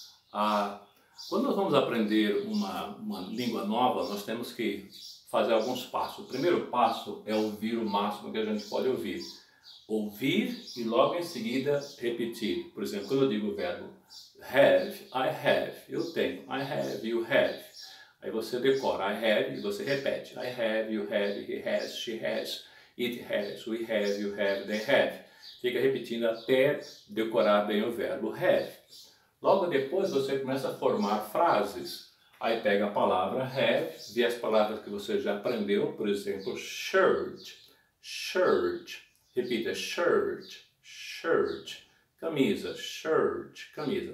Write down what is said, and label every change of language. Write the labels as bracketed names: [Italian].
[Portuguese] Quando nós vamos aprender uma língua nova, nós temos que fazer alguns passos. O primeiro passo é ouvir o máximo que a gente pode ouvir. Ouvir e logo em seguida repetir. Por exemplo, quando eu digo o verbo have, [English] I have, [Portuguese] eu tenho, [English] I have, you have. [Portuguese] Aí você decora, [English] I have, [Portuguese] e você repete. [English] I have, you have, he has, she has, it has, we have, you have, they have. [Portuguese] Fica repetindo até decorar bem o verbo have. Logo depois você começa a formar frases. Aí pega a palavra have, vê as palavras que você já aprendeu. Por exemplo, shirt, shirt. Repita, shirt, shirt. Camisa, shirt, camisa.